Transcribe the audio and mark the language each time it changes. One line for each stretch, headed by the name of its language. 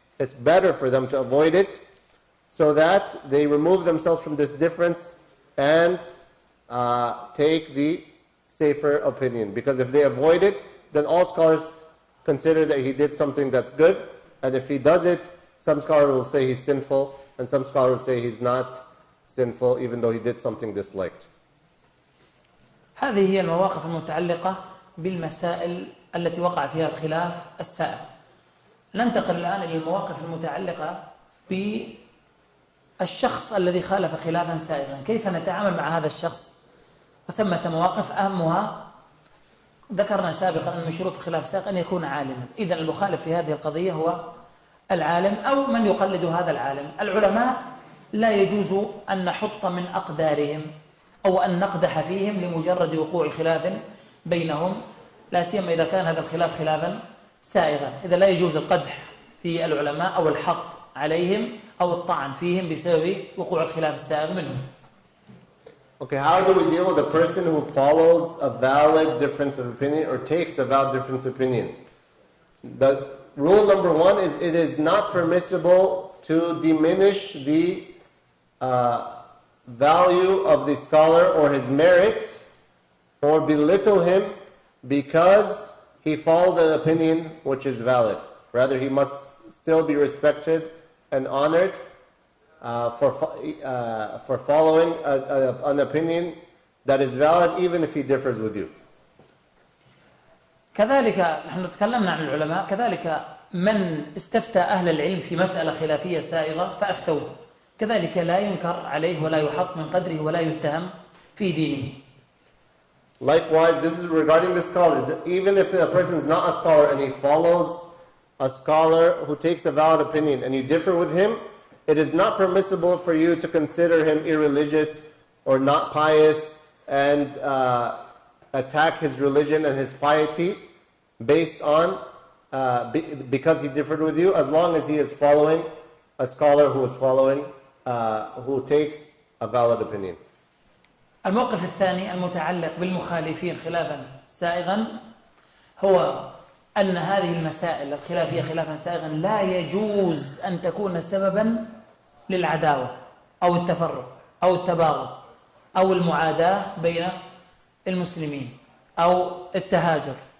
English: It's better for them to avoid it, so that they remove themselves from this difference and take the safer opinion. Because if they avoid it, then all scholars consider that he did something that's good, and if he does it, some scholar will say he's sinful, and some scholar will say he's not sinful, even though he did something disliked.
Arabic: هذه هي المواقف المتعلقة بالمسائل التي وقع فيها الخلاف السائر. ننتقل الآن إلى المواقف المتعلقة بالشخص الذي خالف خلافا سائرا. كيف نتعامل مع هذا الشخص؟ وثمة مواقف أهمها ذكرنا سابقا من شروط الخلاف السائر أن يكون عالما. إذا المخالف في هذه القضية هو العالم أو من يقلد هذا العالم. العلماء لا يجوز أن نحط من أقدارهم أو أن نقدح فيهم لمجرد وقوع خلاف بينهم لا سيما إذا كان هذا الخلاف خلافا سائغا إذا لا يجوز القدح في العلماء أو الحط عليهم أو الطعن فيهم بسبب وقوع الخلاف السائغ منهم.
English: Okay, how do we deal with a person who follows a valid difference of opinion or takes a valid difference of opinion? The rule number one is it is not permissible to diminish the value of the scholar or his merit or belittle him because he followed an opinion which is valid. Rather, he must still be respected and honored for following an opinion that is valid even if he differs with you.
Arabic: كذلك نحن تكلمنا عن العلماء كذلك من استفتى أهل العلم في مسألة خلافية سائغة فأفتوه كذلك لا ينكر عليه ولا يحط من قدره ولا يتهم في دينه.
English: Likewise, this is regarding the scholar. Even if a person is not a scholar and he follows a scholar who takes a valid opinion and you differ with him, it is not permissible for you to consider him irreligious or not pious and attack his religion and his piety based on because he differed with you, as long as he is following a scholar who is following who takes a valid opinion.
Arabic: الموقف الثاني المتعلق بالمخالفين خلافا سائغا هو أن هذه المسائل الخلافية خلافا سائغا لا يجوز أن تكون سببا للعداوة أو التفرق أو التباغض أو المعاداة بين المسلمين أو التهاجر